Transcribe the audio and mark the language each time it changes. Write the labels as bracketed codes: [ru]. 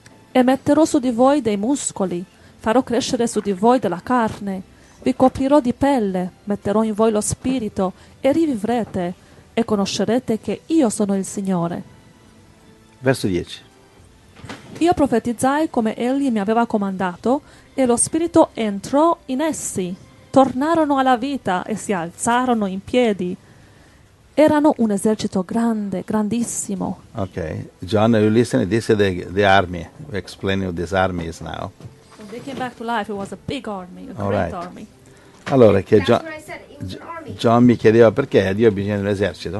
[it] e metterò su di voi dei muscoli, farò crescere su di voi della carne, vi coprirò di pelle, metterò in voi lo spirito e rivivrete e conoscerete che io sono il Signore. Verso 10. Io profetizzai come egli mi aveva comandato e lo spirito entrò in essi, tornarono alla vita e si alzarono in piedi. Erano un esercito grande, grandissimo. [en] Ok, John, are you listening? This is the army. We're explaining what this army is now. When they came back to life, it was a big army, a great right. army. [it] Allora, che John mi chiedeva perché Dio ha bisogno di un esercito.